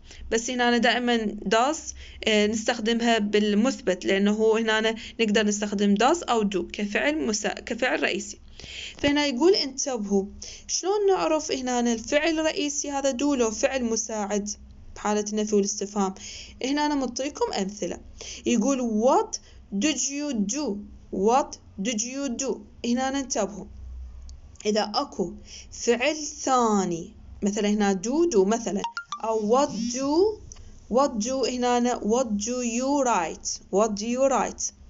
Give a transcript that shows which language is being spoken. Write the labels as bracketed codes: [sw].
[ar] بس هنا دائما does نستخدمها بالمثبت لأنه هنا نقدر نستخدم does أو do كفعل رئيسي. فهنا يقول انتبهوا شلون نعرف هنا الفعل الرئيسي هذا do لو فعل مساعد بحالة نفي والاستفهام. هنا نعطيكم أمثلة. يقول [en] what did you do what did you do. [ar] هنا انتبهوا إذا أكو فعل ثاني مثلا هنا do مثلا أو what do هنا [en] what do you write.